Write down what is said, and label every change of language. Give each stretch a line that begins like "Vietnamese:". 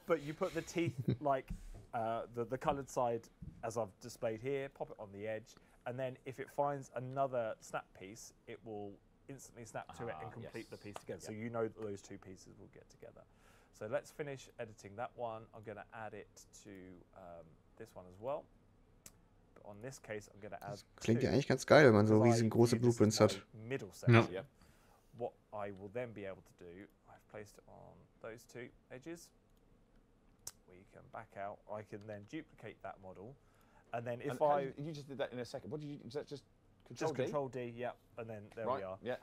English: But you put the teeth like the coloured side, as I've displayed here, pop it on the edge, and then if it finds another snap piece, it will instantly snap to it and complete the piece again. Yep. So you know that those two pieces will get together. So let's finish editing that one. I'm going to add it to this one as well. But on this case, I'm going to add.
German: Das klingt ja eigentlich ganz geil, wenn man so riesen große Blueprints hat.
English: Middle section. No. What I will then be able to do, I've placed it on those two edges. We can back out. I can then duplicate that model. And then if you just did that in a second. What did you, is that just Control-D? Just Control-D, yep. And then there right, we are. Yeah.